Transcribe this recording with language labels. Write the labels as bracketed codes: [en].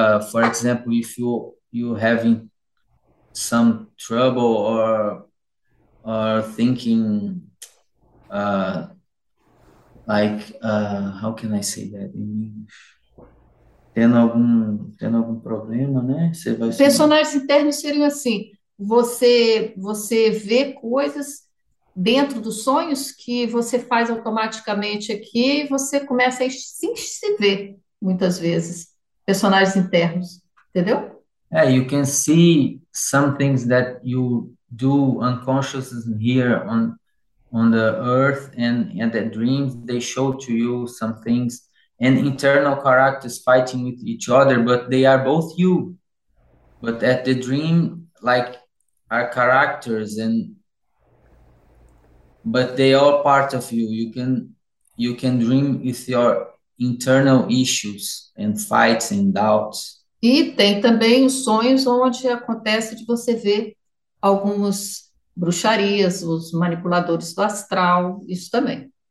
[en] For example, if you having some trouble or thinking how can I say that in English? [pt] Tendo algum problema, né? Você vai sonhar. Personagens internos seriam assim, você vê coisas dentro dos sonhos que você faz automaticamente aqui, você começa a se ver muitas vezes, personagens internos, entendeu? [en] Yeah, you can see some things that you do unconsciously here on the earth and the dreams, they show to you some things and internal characters fighting with each other, but they are both you. But at the dream, like our characters and but they are part of you. You can dream with your internal issues and fights and doubts. [pt] E tem também os sonhos onde acontece de você ver algumas bruxarias, os manipuladores do astral, isso também.